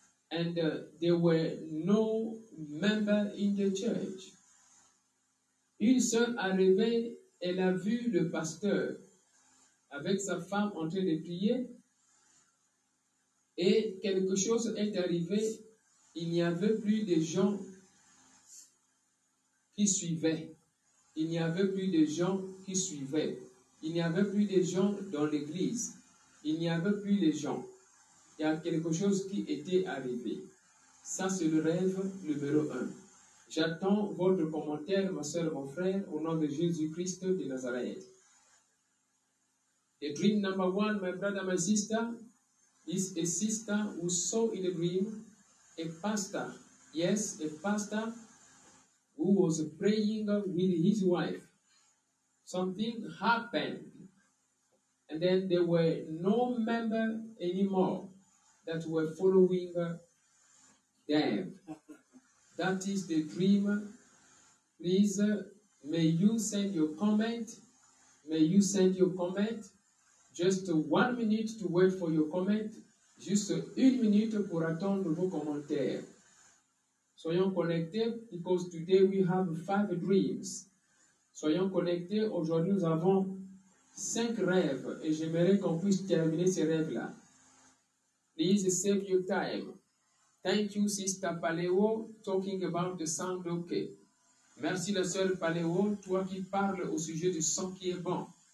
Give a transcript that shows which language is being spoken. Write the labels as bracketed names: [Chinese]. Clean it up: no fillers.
[English] And there were no members in the church. [French] Une sœur arrivée, elle a vu le pasteur avec sa femme en train de prier. Et quelque chose est arrivé, il n'y avait plus de gens qui suivaient. Il n'y avait plus de gens dans l'église. Il y a quelque chose qui était arrivé. Ça, c'est le rêve numéro 1. J'attends votre commentaire, ma soeur, mon frère, au nom de Jésus-Christ de Nazareth. [English] The dream number one, my brother, my sister, is a sister who saw in a dream a pastor. Yes, a pastor who was praying with his wife. Something happened. And then there were no members anymore that were following them. That is the dream. Please, may you send your comment. May you send your comment. Just 1 minute to wait for your comment. [French] Juste une minute pour attendre vos commentaires. Soyons connectés, [English] because today we have 5 dreams. [French] Soyons connectés, aujourd'hui nous avons 5 rêves, et j'aimerais qu'on puisse terminer ces rêves-là. [English] Please save your time. Thank you, Sister Paléo, talking about the sound okay. [French] Merci, la sœur Paléo, toi qui parles au sujet du son qui est bon.